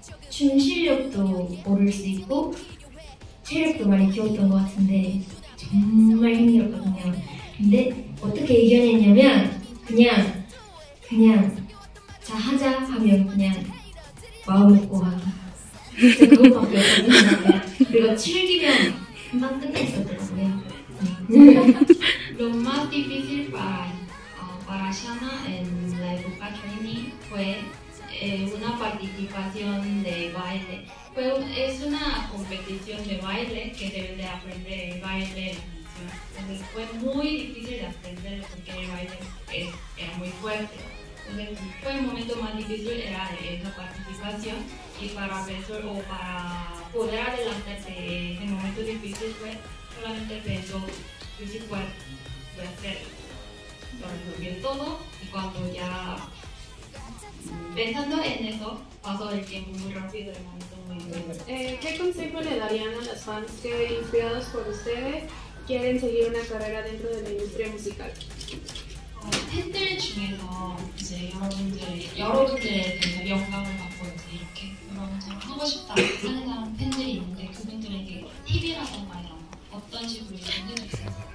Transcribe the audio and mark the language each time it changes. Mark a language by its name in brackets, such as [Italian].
[Korean] 춤 실력도 오를 수 있고 체력도 많이 키웠던 것 같은데 정말 힘들었거든요. 근데 어떻게 이겨냈냐면 그냥 자 하자 하면 그냥 마음 먹고 하기 그것밖에 없었거든요. 그리고 7기면 금방 끝났었거든요. [Spanish] Lo más difícil para Shana en la época training fue una participación de baile. Es una competición de baile que deben de aprender el baile. Entonces fue muy difícil de aprender porque el baile era muy fuerte. Entonces fue el momento más difícil, era esa participación. Y para pensar o para poder adelante de ese momento difícil fue solamente pensó que si puedo hacer. Lo resolvió todo y cuando ya pensando en eso, pasó el tiempo muy rápido, el momento muy bueno. ¿Qué consejo le darían a las fans que, inspirados por ustedes, quieren seguir una carrera dentro de la industria musical? [Korean] 팬들 중에서 이제 여러분들의 대해서 영감을 받고 이제 이렇게 그런 걸 하고 싶다 하는 사람 팬들이 있는데 그분들에게 팁이라던가 이런 거 어떤 식으로 전해주세요?